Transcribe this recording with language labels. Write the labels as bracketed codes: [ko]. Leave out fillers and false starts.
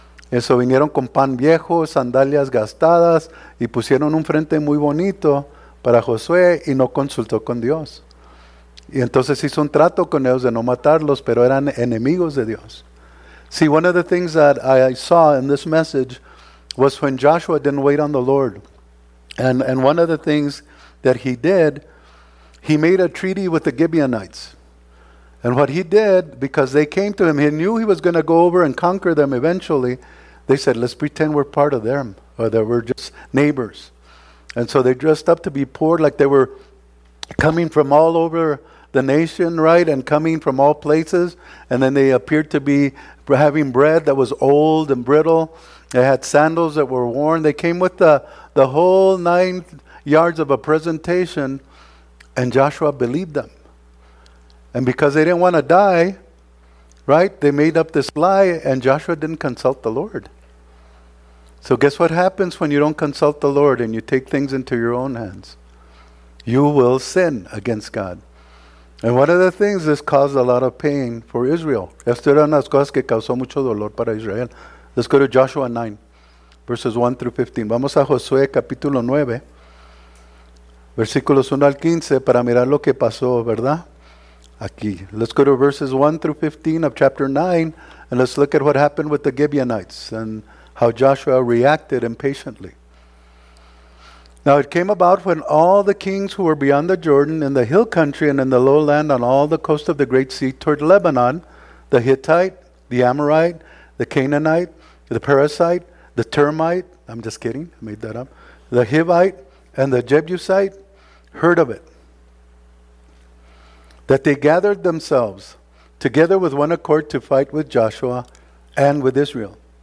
[es] Eso, vinieron con pan viejo, sandalias gastadas, y pusieron un frente muy bonito para Josué, y no consultó con Dios. Y entonces hizo un trato con ellos de no matarlos, pero eran enemigos de Dios. [en] See, one of the things that I saw in this message was when Joshua didn't wait on the Lord. And one of the things that he did, he made a treaty with the Gibeonites. And what he did, because they came to him, he knew he was going to go over and conquer them eventually. They said, let's pretend we're part of them, or that we're just neighbors. And so they dressed up to be poor, like they were coming from all over the nation, right, and coming from all places. And then they appeared to be having bread that was old and brittle. They had sandals that were worn. They came with the whole 9 yards of a presentation, and Joshua believed them. And because they didn't want to die, right, they made up this lie, and Joshua didn't consult the Lord. So guess what happens when you don't consult the Lord and you take things into your own hands? You will sin against God. And one of the things, this caused a lot of pain for Israel. [es] Estas eran las cosas que causó mucho dolor para Israel. [en] Let's go to Joshua 9, verses 1 through 15. [es] Vamos a Josué capítulo 9, versículos 1 al 15, para mirar lo que pasó, ¿verdad? Aquí. [en] Let's go to verses 1 through 15 of chapter 9, and let's look at what happened with the Gibeonites and how Joshua reacted impatiently. Now it came about when all the kings who were beyond the Jordan in the hill country and in the lowland on all the coast of the great sea toward Lebanon, the Hittite, the Amorite, the Canaanite, the Perizzite, the Termite, I'm just kidding, I made that up, the Hivite and the Jebusite heard of it, that they gathered themselves together with one accord to fight with Joshua and with Israel.